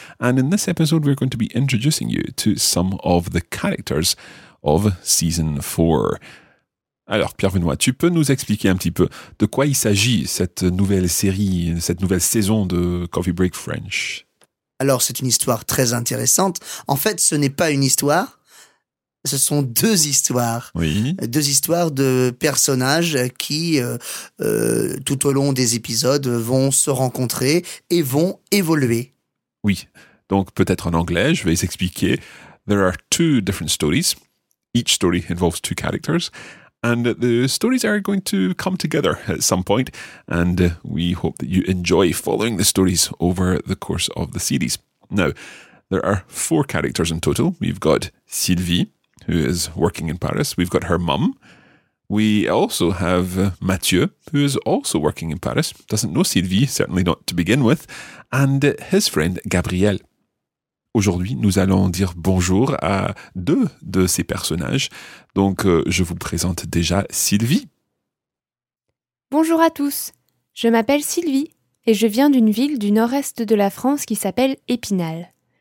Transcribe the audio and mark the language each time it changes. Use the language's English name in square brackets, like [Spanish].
[English] And in this episode we're going to be introducing you to some of the characters of season 4. [French] Alors Pierre Benoît, tu peux nous expliquer un petit peu de quoi il s'agit cette nouvelle série, cette nouvelle saison de Coffee Break French? Alors, c'est une histoire très intéressante. En fait, ce n'est pas une histoire. Ce sont deux histoires. Oui. Deux histoires de personnages qui, tout au long des épisodes, vont se rencontrer et vont évoluer. Oui. Donc, peut-être en anglais, je vais expliquer. [English] There are two different stories. Each story involves two characters. And the stories are going to come together at some point, and we hope that you enjoy following the stories over the course of the series. Now, there are four characters in total. We've got Sylvie, who is working in Paris. We've got her mum. We also have Mathieu, who is also working in Paris. Doesn't know Sylvie, certainly not to begin with. And his friend, Gabriel. [French] Aujourd'hui, nous allons dire bonjour à deux de ces personnages. Donc, je vous présente déjà Sylvie. Bonjour à tous. Je m'appelle Sylvie et je viens d'une ville du nord-est de la France qui s'appelle Épinal.